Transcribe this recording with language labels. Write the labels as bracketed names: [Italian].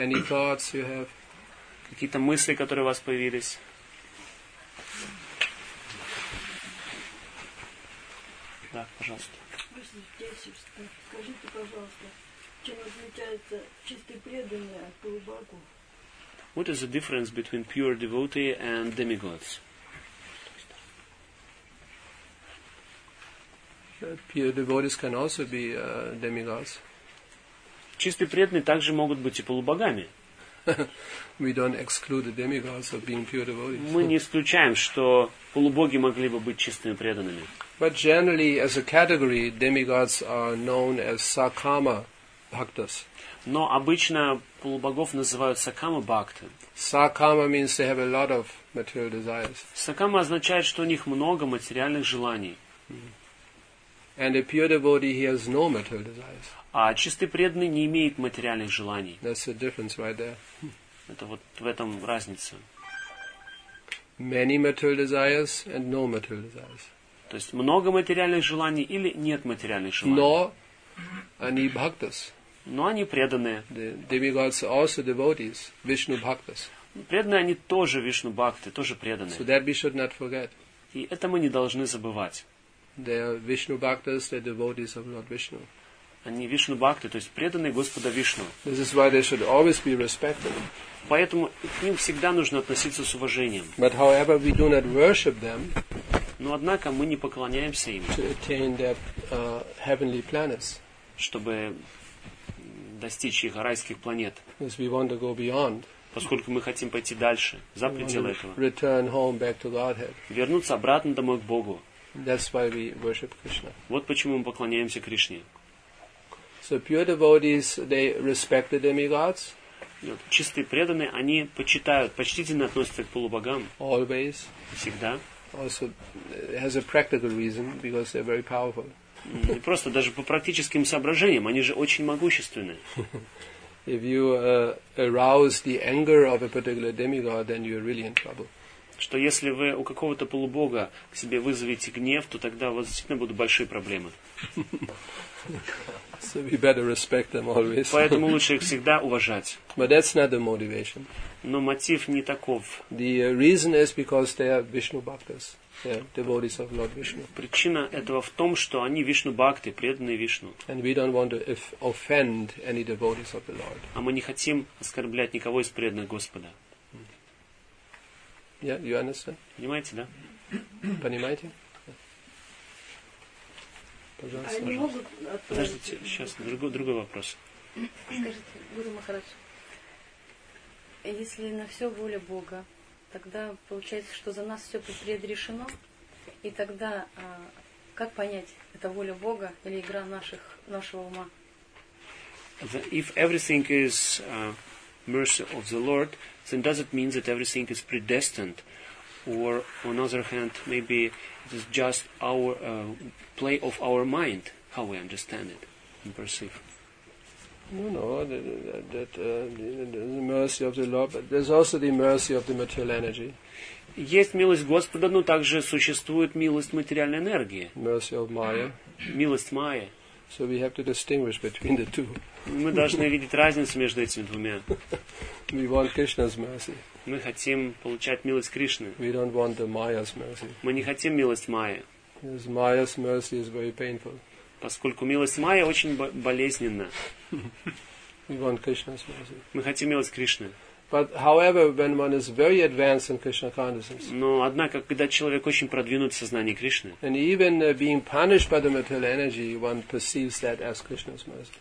[English] Any thoughts you have? [Russian] Какие-то мысли, которые у вас появились? Да, пожалуйста. Скажите, пожалуйста, чем отличается чистый преданный от полубогу? [English] What is the difference between pure devotee and demigods? Pure devotees can also be demigods. [Russian] Чистые преданные также могут быть и полубогами. [English] We don't exclude the demigods of being pure devotees. [Russian] Мы не исключаем, что полубоги могли бы быть чистыми преданными. [English] But generally, as a category, demigods are known as Sakama Bhaktas. [Russian] Но обычно полубогов называют Сакама Бхакты. [English] Сакама means they have a lot of material desires. [Russian] Сакама означает, что у них много материальных желаний. [English] And a pure devotee, he has no material desires. [Russian] А чистый преданный не имеет материальных желаний. [English] That's the difference right there. [Russian] Это вот в этом разница. [English] Many material desires and no material desires. [Russian] То есть много материальных желаний или нет материальных желаний. Но они бхактас. Но они преданные. [English] The demigods are also devotees, Vishnu bhaktas. [Russian] Преданные они тоже Вишну бхакты, тоже преданные. [English] So that we should not forget. [Russian] И это мы не должны забывать. [English] They are Vishnu bhaktas, they are devotees of Lord Vishnu. [Russian] Они Вишну бхакты, то есть преданные Господа Вишну. [English] This is why they should always be respected. [Russian] Поэтому к ним всегда нужно относиться с уважением. [English] But however we do not worship them. [Russian] Но однако мы не поклоняемся им. [English] To attain their heavenly planets. [Russian] Чтобы достичь их райских планет. [English] Because we want to go beyond. [Russian] Поскольку мы хотим пойти дальше, за пределы этого. [English] Return home back to Godhead. [Russian] Вернуться обратно домой к Богу. [English] That's why we worship Krishna. [Russian] Вот почему мы поклоняемся Кришне. [English] So pure devotees, they respect the demigods. [Russian] Чистые преданные, они почитают, почтительно относятся к полубогам. [English] Always. [Russian] Всегда. [English] Also has a practical reason, because they're very powerful. [Russian] Не просто, даже по практическим соображениям, они же очень могущественны. [English] If you arouse the anger of a particular demigod, then you're really in trouble. [Russian] Что если вы у какого-то полубога к себе вызовете гнев, то тогда у вас действительно будут большие проблемы. [English] So we better respect them always. [Russian] Поэтому лучше их всегда уважать. [English] But that's not the motivation. [Russian] Но мотив не таков. [English] The reason is because they are Vishnu Bhaktas, they are devotees of Lord Vishnu. [Russian] Причина этого в том, что они Вишну Бхакты, преданные Вишну. [English] And we don't want to offend any devotees of the Lord. [Russian] А мы не хотим оскорблять никого из преданных Господа. [English] Yeah, you understand? [Russian] Понимаете, да? Понимаете? Пожалуйста, пожалуйста. Подождите, сейчас другой вопрос. Скажите, Гуру Махарадж, если на все воля Бога, тогда получается, что за нас все предрешено, и тогда как понять, это воля Бога или игра нашего ума? [English] If everything is mercy of the Lord, then does it mean that everything is predestined? Or on the other hand, maybe it is just our play of our mind, how we understand it and perceive. No, the mercy of the Lord, but there's also the mercy of the material energy. [Russian] Есть милость Господа, но также существует милость материальной энергии. [English] Mercy of Maya. [Russian] Милость Майя. [English] So we have to distinguish between the two. [Russian] Мы должны видеть разницу между этими двумя. [English] We want Krishna's mercy. [Russian] Мы хотим получать милость Кришны. [English] We don't want the Maya's mercy. [Russian] Мы не хотим милость Майи. [English] Because Maya's mercy is very painful. [Russian] Поскольку милость Майи очень болезненна. [English] We want Krishna's mercy. [Russian] Мы хотим милость Кришны. [English] But however, when one is very advanced in Krishna consciousness. [Russian] Но однако, когда человек очень продвинут в сознании Кришны. [English] And even being punished by the material energy, one perceives that as Krishna's mercy.